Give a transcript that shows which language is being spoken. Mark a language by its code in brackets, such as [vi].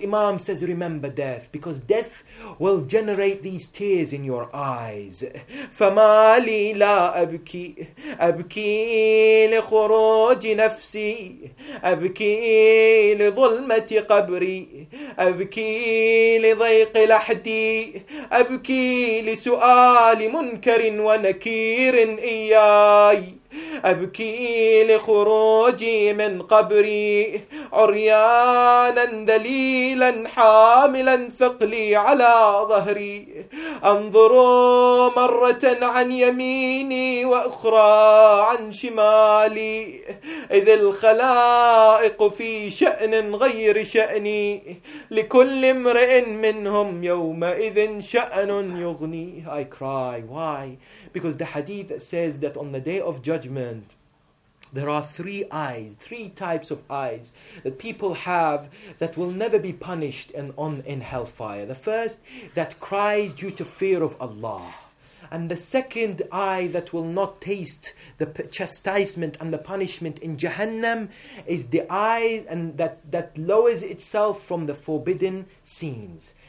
[en] Imam says, remember death, because death will generate these tears in your eyes. [ar] فَمَالِي لَا أَبْكِي أَبْكِي لِخُرُوجِ نَفْسِي أَبْكِي لِظُلْمَةِ قَبْرِي أَبْكِي لِضَيْقِ لَحْدِي أَبْكِي لِسُؤَالِ مُنْكَرٍ وَنَكِيرٍ إِيَّاي أبكي لخروجي من قبري عريانا ذليلا حاملا ثقلي على ظهري أنظر مرة عن يميني وأخرى عن شمالي إذ الخلائق في شأن غير شأني لكل امرئ منهم يومئذ شأن يغني. [en] I cry. Why? Because the hadith says that on the day of judgment, there are three eyes, three types of eyes that people have that will never be punished in hellfire. The first that cries due to fear of Allah. And the second eye that will not taste the chastisement and the punishment in Jahannam is the eye and that lowers itself from the forbidden scenes.